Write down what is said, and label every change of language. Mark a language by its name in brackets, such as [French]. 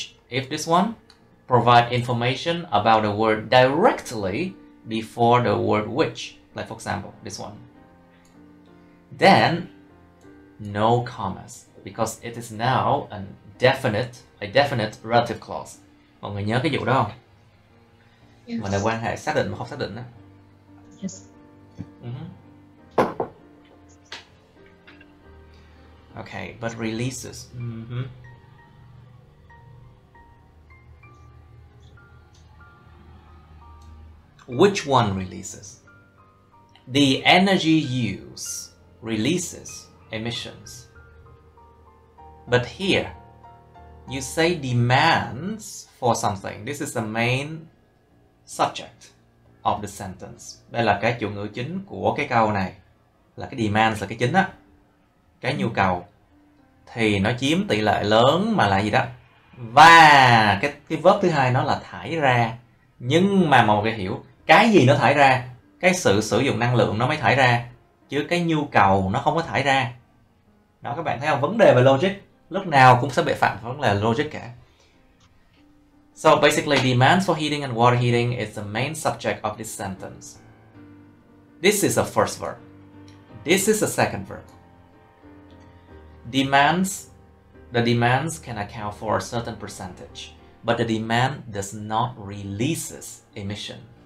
[English] If this one provide information about the word directly before the word which, like for example, this one, then no commas because it is now a definite relative clause. [Vietnamese] Mọi người nhớ cái vụ đó không? Mà là [English] Yes. [Vietnamese] quan hệ xác định mà không xác định đó. [English] Yes. Okay, but releases. Which one releases? The energy use releases emissions. But here, you say demands for something. This is the main subject of the sentence. [Vietnamese] Đây là cái chủ ngữ chính của cái câu này. Là cái demands là cái chính á. Cái nhu cầu. Thì nó chiếm tỷ lệ lớn mà là gì đó. Và cái verb thứ hai nó là thải ra. Nhưng mà một cái hiểu, cái gì nó thải ra? Cái sự sử dụng năng lượng nó mới thải ra. Chứ cái nhu cầu nó không có thải ra. Đó, các bạn thấy không? Vấn đề về logic lúc nào cũng sẽ bị phạm vấn đề logic cả. [English] So basically, demands for heating and water heating is the main subject of this sentence. This is the first verb. This is the second verb. The demands can account for a certain percentage, but the demand does not releases emission.